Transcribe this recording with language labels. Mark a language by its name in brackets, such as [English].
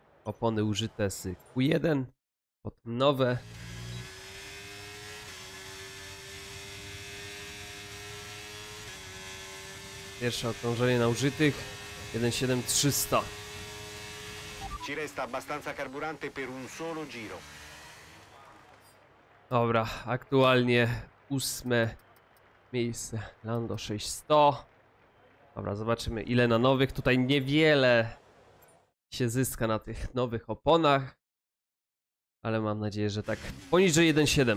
[Polish] Opony użyte z Q1. Potem nowe. Pierwsze odtążenie na użytych. 1,7300. [Italian] Ci resta abbastanza carburante per un solo giro. [Polish] Dobra, aktualnie 8 miejsce. Lando 6100. Dobra, zobaczymy ile na nowych. Tutaj niewiele się zyska na tych nowych oponach. Ale mam nadzieję, że tak poniżej 1,7.